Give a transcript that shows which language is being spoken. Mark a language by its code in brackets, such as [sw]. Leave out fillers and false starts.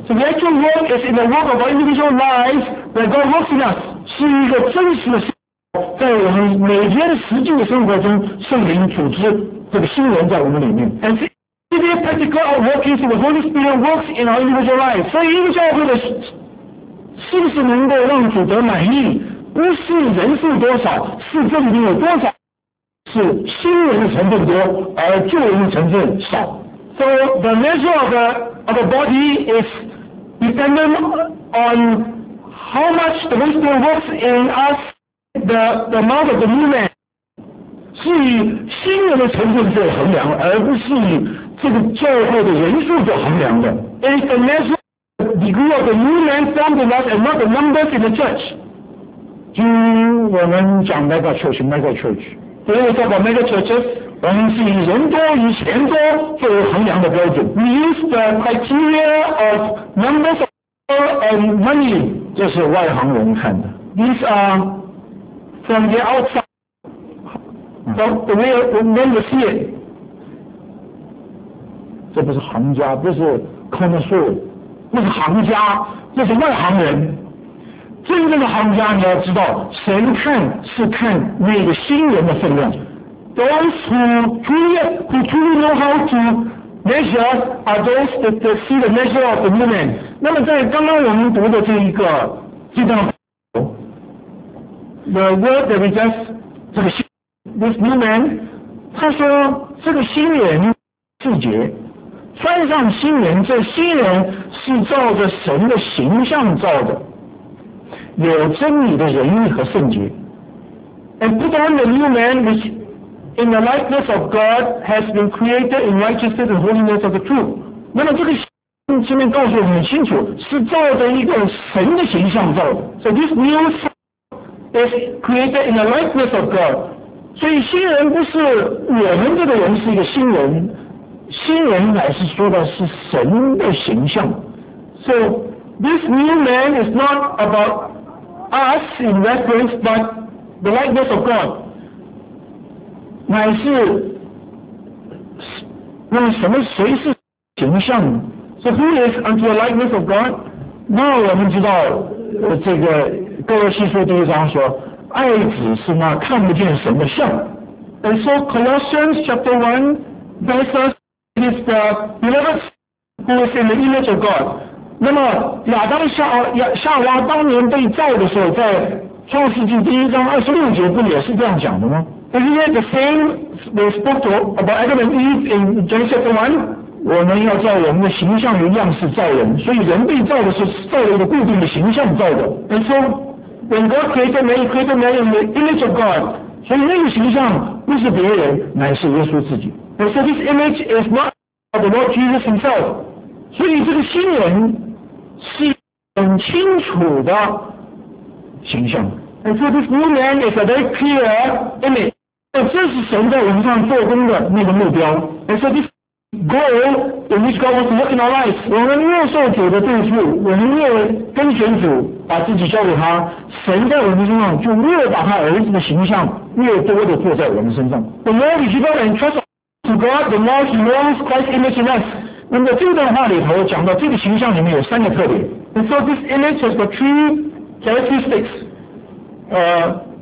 [en] So the actual work is in the work of our individual lives that God works in us. [zh] 是一个真实的生活，在我们每天实际的生活中，圣灵组织这个新人在我们里面。 [en] And see, the practical of working is the Holy Spirit works in our individual lives. [zh] 所以一个教会的是不是能够让主得满意，不是人数多少，是这里面有多少是新人的成分多，而旧人的成分少。 [en] So the measure of the body is dependent on how much the Holy Spirit works in us, the amount of the new man. [zh] 是以新人的成分做衡量，而不是以这个教会的人数做衡量的。 [en] It is the measure of the degree of the new man formed in us and not the numbers in the church. [zh] 今我们讲那个 [en] church, mega church. Today we talk about mega churches. [zh] 我们是以人多与钱多作为衡量的标准。 [en] We use the criteria of numbers of and money. [zh] 这是外行人看的。 [en] These are from the outside. From the way men see it. [zh] 这不是行家，这是 connoisseur，不是行家，这是外行人。真正的行家，你要知道，神看是看那个新人的分量。 [en] Those who truly know how to measure are those that see the measure of the new man. [zh] 那么在刚刚我们读的这一个这段 [en] The word that we just [zh] 这个新 [en] This new man [zh] 他说这个新人自洁穿上新人，这新人是照着神的形象造的，有真理的仁义和圣洁。 [en] And put on the new man whichin the likeness of God has been created in righteousness and holiness of the truth. [zh] 那么这个前面告诉我们很清楚，是照着一个神的形象造的。 [en] So this new son is created in the likeness of God. [zh] 所以新人不是我们这个人是一个新人，新人乃是说的是神的形象。 [en] So this new man is not about us in reference, but the likeness of God. [zh] 乃是那什么谁是形象呢？ [en] So who is unto the likeness of God? [zh] 那我们知道这个哥罗西书第一章说爱子是那看不见神的像。 [en] And so Colossians chapter 1 verses is the beloved who is in the image of God. [zh] 那么亚当夏娃当年被造的时候，在创世纪第一章二十六节不也是这样讲的吗？ [en] Isn't it the same we spoke to about Adam and Eve in Genesis chapter 1? [zh] 我们要照我们的形象与样式造人，所以人被造的是造了一个固定的形象造的。 [en] And so when God created man, he created man in the image of God. [zh] 所以那个形象不是别人，乃是耶稣自己。 [en] And so this image is not of the Lord Jesus himself. [zh] 所以这个新人是很清楚的形象。 [en] And so this new man is a very clear image. [zh] 这是神在我们上做工的那个目标。 [en] And so this goal in which God wants to work in our lives. [zh] 我们越受主的祝福，我们越跟随主，把自己交给他，神在我们身上就越把他儿子的形象越多的做在我们身上。 [en] The more we give up and trust to God, the more He wants Christ's image in us. [zh] 那么这段话里头讲到这个形象里面有三个特点。 [en] And so this image has got three characteristics.